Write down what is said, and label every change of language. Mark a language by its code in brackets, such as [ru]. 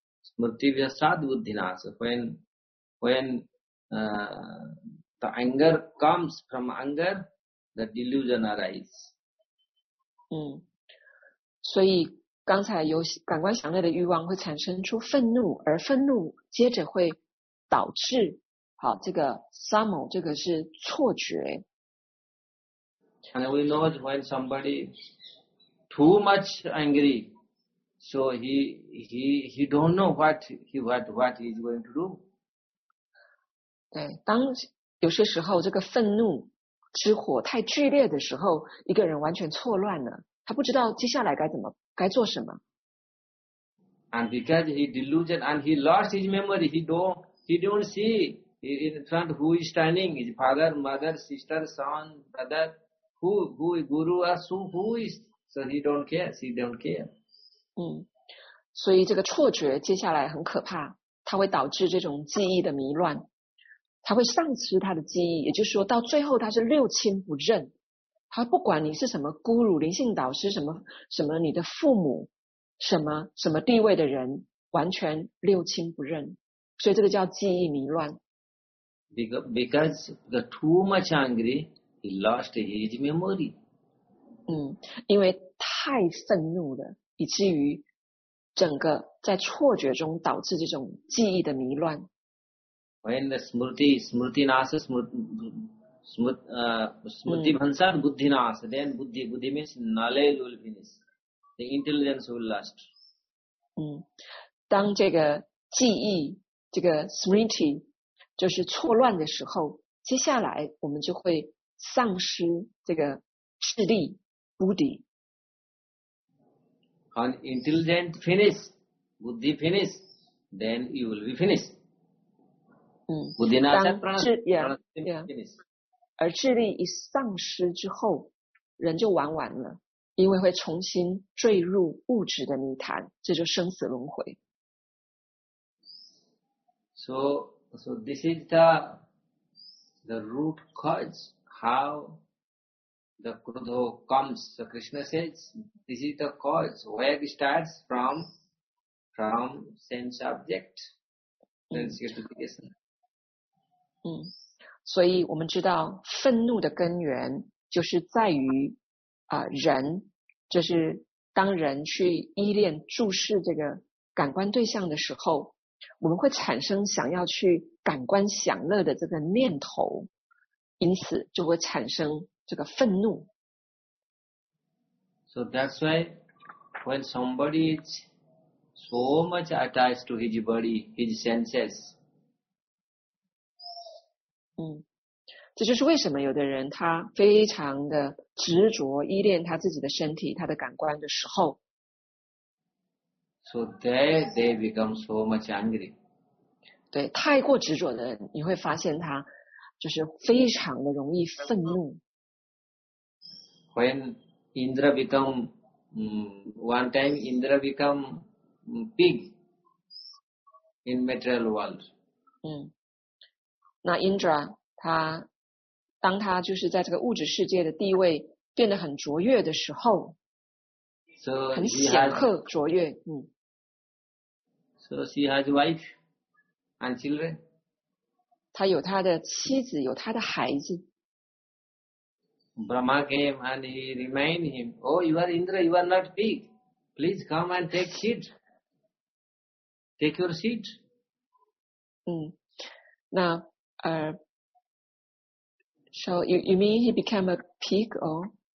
[sa] Smriti vyasad buddhinasa. [en] When the anger comes from anger, the delusion arises. [zh] 所以刚才有感官享乐的欲望会产生出愤怒，而愤怒接着会导致好这个 sammo 这个是错觉。 [en] And we know when somebody too much angry, so he don't know what he's going to do. [zh] 对，当有些时候这个愤怒之火太剧烈的时候，一个人完全错乱了。他不知道接下来该做什么。 [en] And because he delusion and he lost his memory, he don't see in front who is standing, his father, mother, sister, son, brother, who guru or who is, so he don't care. [zh] 所以这个错觉接下来很可怕，它会导致这种记忆的迷乱，他会丧失他的记忆，也就是说到最后他是六亲不认。他不管你是什么孤儒灵性导师，什么你的父母，什么地位的人，完全六亲不认，所以这个叫记忆迷乱。 [en] Because the too much angry, he lost his memory. [zh] 因为太愤怒了，以至于整个在错觉中导致这种记忆的迷乱。 [en] When the [sa] smriti nasa smriti. Smriti bhansar buddhi nas, [en] then buddhi means knowledge will finish. The intelligence will last. [zh] 当这个记忆，这个 smriti, 就是错乱的时候，接下来我们就会丧失这个智力 buddhi. [en] When intelligence finish, buddhi finish, then you will be finished. [sa] Buddhi nas, pranasthi [en] finish. [zh] 而智力一丧失之后，人就玩完了，因为会重新坠入物质的泥潭，这就生死轮回。 [en] So this is the root cause how the krodha comes. So Krishna says this is the cause where it starts from sense object. Sense gratification. [zh] 所以我们知道愤怒的根源就是在于人，就是当人去依恋注视这个感官对象的时候，我们会产生想要去感官享乐的这个念头，因此就会产生这个愤怒。 [en] So that's why when somebody is so much attached to his body, his senses. [zh] 这就是为什么有的人他非常的执着依恋他自己的身体，他的感官的时候。 [en] So they become so much angry. [zh] 对，太过执着的人，你会发现他就是非常的容易愤怒。 [en] When Indra become, one time Indra become pig in material world. [zh] 那 Indra, 他当他就是在这个物质世界的地位变得很卓越的时候、 [en] so、 [zh] 很显赫卓越 [en] So she has wife and children. [zh] 他有他的妻子，有他的孩子。 [en] Brahma came and he reminded him, Oh, you are Indra, you are not pig. Please come and take seat. Take your seat. 那So you mean he became a pig or?